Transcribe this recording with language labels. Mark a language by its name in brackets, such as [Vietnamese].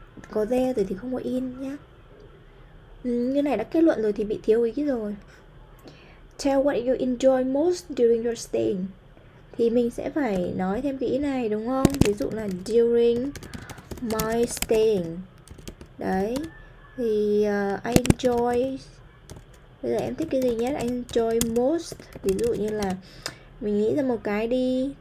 [Vietnamese] Có there rồi thì không có in nhé. Như này đã kết luận rồi thì bị thiếu ý rồi. [English] Tell what you enjoy most during your stay. [Vietnamese] Thì mình sẽ phải nói thêm cái ý này đúng không? Ví dụ là [English] during my staying. [Vietnamese] Đấy. Thì [English] I enjoy. [Vietnamese] Bây giờ em thích cái gì nhất? [English] I enjoy most. [Vietnamese] Ví dụ như là mình nghĩ ra một cái đi.